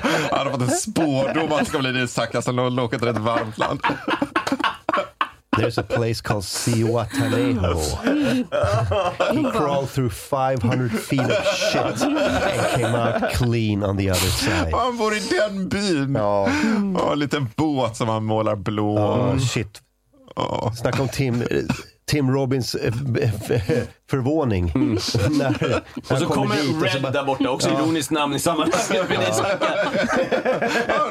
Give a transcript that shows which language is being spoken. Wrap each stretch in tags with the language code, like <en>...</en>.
<sv>Han har fått en spårdom att det ska bli en ishacka som låg åka till ett varmt land.</sv> <en>There's a place called Sihuatanejo. He crawled through 500 feet of shit and came out clean on the other side.</en> <sv>Han bor i den byn. Ja. Och en liten båt som han målar blå.</sv> <en>Shit.</en> <sv>Snacka om Tim Robbins förvåning. Mm. Och så kommer Red och så bara, där borta också. Ja. Ironiskt namn i sammanhanget. Ja.</sv>